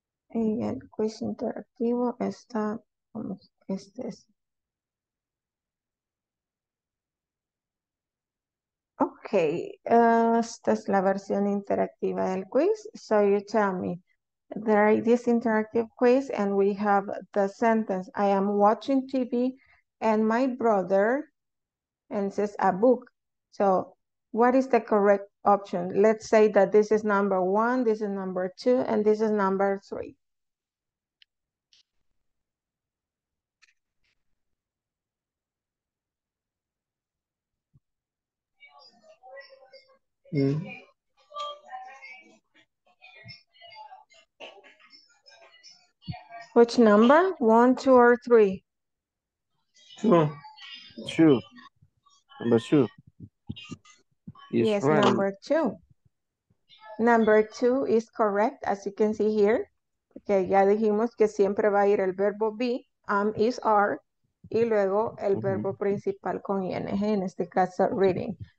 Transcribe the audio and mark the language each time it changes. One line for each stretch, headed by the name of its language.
Spanish: Y el quiz interactivo está, este es. Ok, esta es la versión interactiva del quiz.
English: So you tell me, there is this interactive quiz and we have the sentence, I am watching TV and my brother, and it says a book. So what is the correct option? Let's say that this is number one, this is number two, and this is number three. Which number? One, two, or three? Two. Number two. Yes, right. Number two. Number two is correct, as you can see here.
Spanish: Okay, ya dijimos que siempre va a ir el verbo be, am, is, are, y luego el verbo principal con ing, en este caso reading.